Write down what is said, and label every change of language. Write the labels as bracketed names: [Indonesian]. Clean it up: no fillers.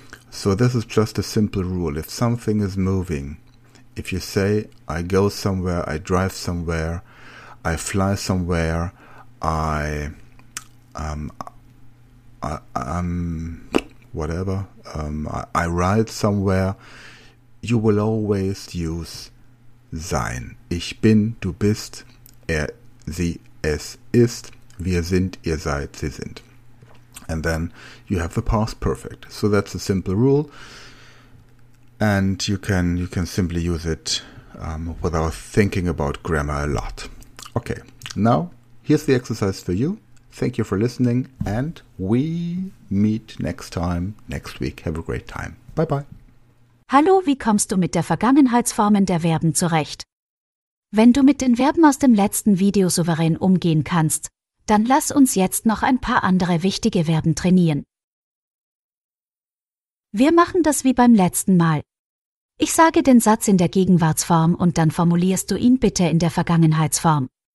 [English] So this is just a simple rule. If something is moving, if you say I go somewhere, I drive somewhere, I fly somewhere, I ride somewhere, you will always use sein. [German] Ich bin, du bist, sie, es ist, wir sind, ihr seid, sie sind. [English] And then you have the past perfect. So that's a simple rule. And you can simply use it without thinking about grammar a lot. Okay, now here's the exercise for you. Thank you for listening, and we meet next time, next week. Have a great time. Bye-bye. [German] Hallo, wie kommst du mit der Vergangenheitsform der Verben zurecht? Wenn du mit den Verben aus dem letzten Video souverän umgehen kannst, dann lass uns jetzt noch ein paar andere wichtige Verben trainieren. Wir machen das wie beim letzten Mal. Ich sage den Satz in der Gegenwartsform und dann formulierst du ihn bitte in der Vergangenheitsform.